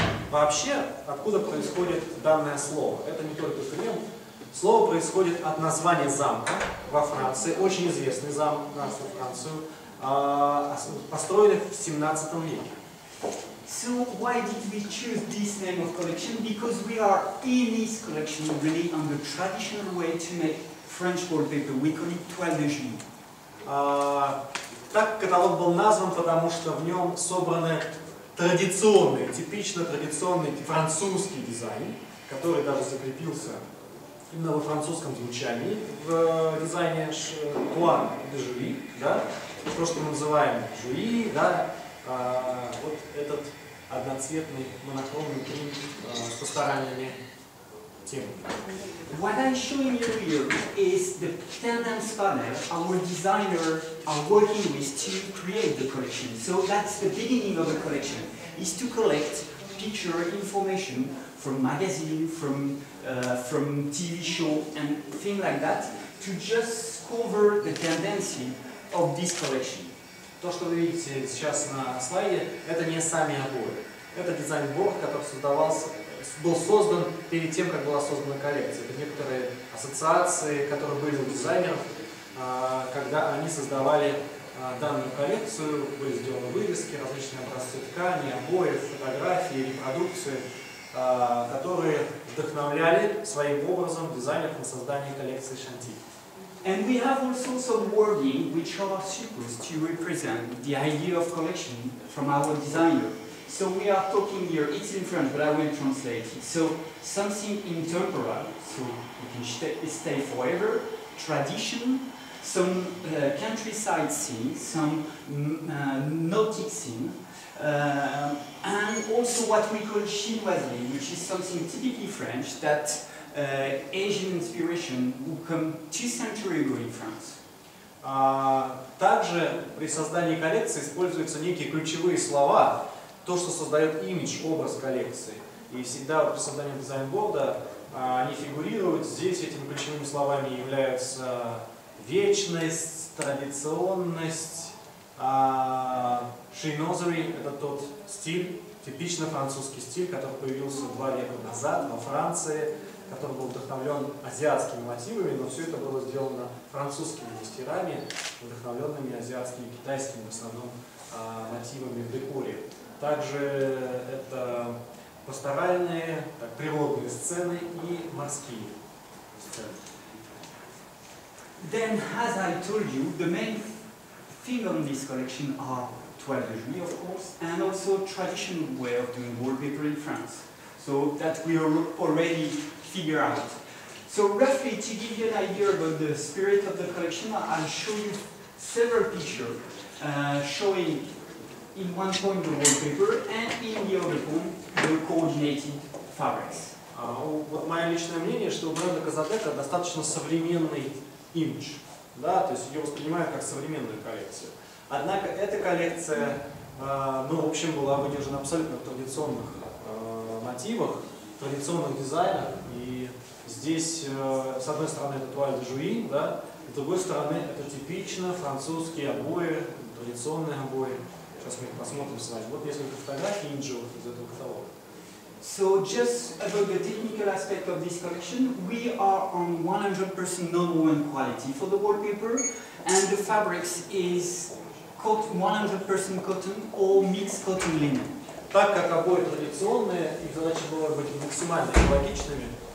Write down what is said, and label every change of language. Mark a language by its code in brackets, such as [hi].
[ru] Вообще, откуда происходит данное слово? Это не только крем. Слово происходит от названия замка во Франции, очень известный замок на всю Францию, построенный в 17 веке. [en] So why did we choose this name of collection? Because we are in this collection really on the traditional way to make French wallpaper, we call it toile de genoux. [ru] Так каталог был назван, потому что в нем собраны традиционные, типично традиционный французский дизайн, который даже закрепился именно во французском звучании в дизайне Toile de Jouy, да? То, что мы называем Jouy, да? Вот этот одноцветный монохромный принт с постараниями темы. [en] What I'm showing you here is the tandem spanner our designer are working with to create the collection. So that's the beginning of the collection, is to collect picture information from magazine, from TV show and things like that to just cover the tendency of this collection. [ru] То, что вы видите сейчас на слайде, это не сами обои. Это дизайн-борд, который был создан перед тем, как была создана коллекция. Это некоторые ассоциации, которые были у дизайнеров, когда они создавали данную коллекцию, были сделаны вывески, различные образцы ткани, обои, фотографии, репродукции, которые вдохновляли своим образом дизайнеров на создание коллекции Chantilly. [en] And we have also some wording which are supposed to represent the idea of collection from our designer. So we are talking here, it's in French, but I will translate it. So something intemporal, so it can stay forever, tradition, some countryside scene, some nautic scene, and also what we call chinoiserie, which is something typically French that Asian inspiration who come 2 centuries ago in France. [ru] Также при создании коллекции используются некие ключевые слова, то, что создает имидж, образ коллекции. И всегда при создании дизайн-борда они фигурируют. Здесь этими ключевыми словами являются вечность, традиционность. Шейнозери – это тот стиль, типично французский стиль, который появился 2 века назад во Франции, который был вдохновлен азиатскими мотивами, но все это было сделано французскими мастерами, вдохновленными азиатскими и китайскими, в основном, мотивами в декоре. Также это пасторальные, так, природные сцены и морские сцены. [en] Then, as I told you, the main thing on this collection are toile de Jouy, of course, and also traditional way of doing wallpaper in France. So that we already figure out. So roughly, to give you an idea about the spirit of the collection, I'll show you several pictures showing in one point the wallpaper and in the other point the coordinated fabrics. [ru] Вот мое личное мнение, что у бренда Casateca достаточно современный имидж. Да, то есть ее воспринимают как современную коллекцию. Однако эта коллекция, ну, в общем, была выдержана абсолютно в традиционных мотивах, традиционных дизайнах. И здесь, с одной стороны, это Toile de Jouy, да, с другой стороны, это типично французские обои, традиционные обои. Сейчас мы их посмотрим с вами. Вот несколько фотографий имиджевых из этого каталога. [en] So just about the technical aspect of this collection, we are on 100% non-woven quality for the wallpaper, and the fabrics is 100% cotton or mixed cotton linen. [ru] Так как обои традиционные, их задача была быть максимально экологичными.